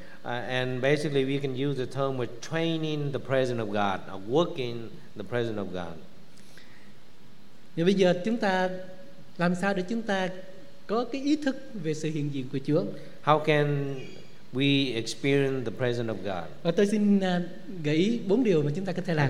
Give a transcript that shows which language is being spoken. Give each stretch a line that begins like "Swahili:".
English: And basically we can use the term of training the presence of God, of working the presence of God.
Vietnamese: Nhưng bây giờ chúng ta làm sao để chúng ta có cái ý thức về sự hiện diện của Chúa?
English: How can we experience the presence of God?
Vietnamese: Và tôi xin gợi ý 4 điều mà chúng ta có thể làm.